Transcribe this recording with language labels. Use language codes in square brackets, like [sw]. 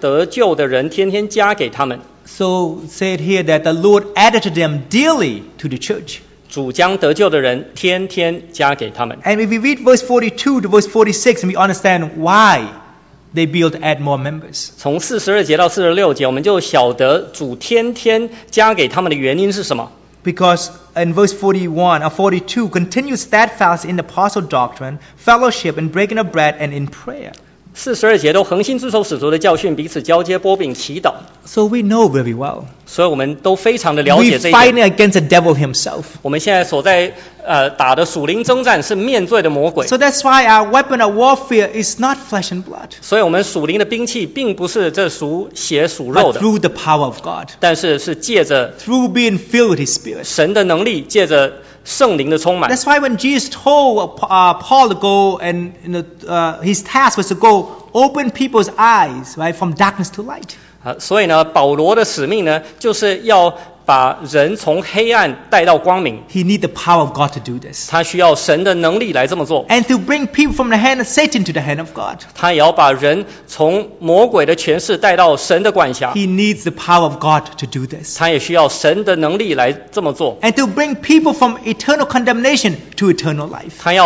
[zh] 赞美神的众民的喜爱，主将得救的人天天加给他们。 [en] So say it here that the Lord added to them daily to the church. [zh] 主将得救的人天天加给他们. [en] And if we read verse 42 to verse 46, we understand why they build add more members. [zh] 从42节到46节, 我们就晓得主天天加给他们的原因是什么. [en] Because in verse 41 or 42, continue steadfast in apostle doctrine, fellowship, in breaking of bread, and in prayer. [zh] 42节都恒心遵守使徒的教训，彼此交接、波饼、祈祷。 [en] So we know very well. [zh] 所以我们都非常的了解这一点。 [en] We fighting against the devil himself. [zh] 我们现在所在打的属灵征战是面对的魔鬼。 [en] So that's why our weapon of warfare is not flesh and blood. [zh] 所以我们属灵的兵器并不是这属血属肉的。 [en] But through the power of God. [zh] 但是是借着 [en] through being filled with His Spirit. [zh] 神的能力借着 圣灵的充满. [en] That's why when Jesus told Paul to go and his task was to go open people's eyes right from darkness to light. [zh] 所以呢，保罗的使命呢，就是要把人从黑暗带到光明. [en] He need the power of God to do this. [zh] 他需要神的能力来这么做. [en] And to bring people from the hand of Satan to the hand of God. [zh] 他也要把人从魔鬼的权势带到神的管辖. [en] He needs the power of God to do this. [zh] 他也需要神的能力来这么做. [en] And to bring people from eternal condemnation to eternal life.